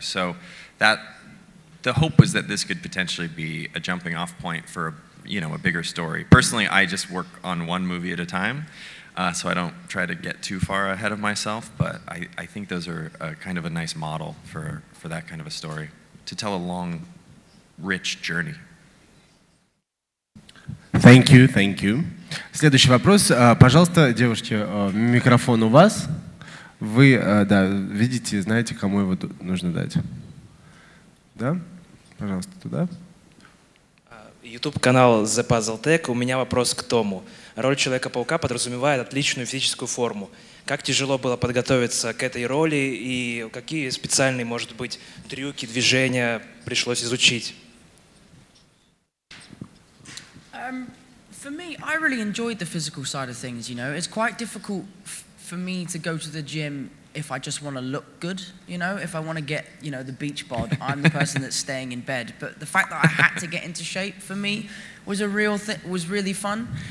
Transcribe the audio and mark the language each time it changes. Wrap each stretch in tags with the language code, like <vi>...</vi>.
<en>So that the hope was that this could potentially be a jumping off point for a bigger story. Personally, I just work on one movie at a time, so I don't try to get too far ahead of myself, but I think those are a kind of a nice model for that kind of a story, to tell a long, rich journey. Thank you, thank you.</en> <ru>Следующий вопрос. Пожалуйста, девушки, микрофон у вас. Вы, да, видите, знаете, кому его нужно дать. Да? Пожалуйста, туда. YouTube-канал The Puzzle Tech. У меня вопрос к Тому. Роль Человека-паука подразумевает отличную физическую форму. Как тяжело было подготовиться к этой роли и какие специальные, может быть, трюки, движения пришлось изучить?</ru> <en>For me, I really enjoyed the physical side of things, you know. It's quite difficult for me to go to the gym if I just want to look good, you know. If I want to get, you know, the beach bod, I'm the person that's staying in bed. But the fact that I had to get into shape for me was a real thing, was really fun.</en>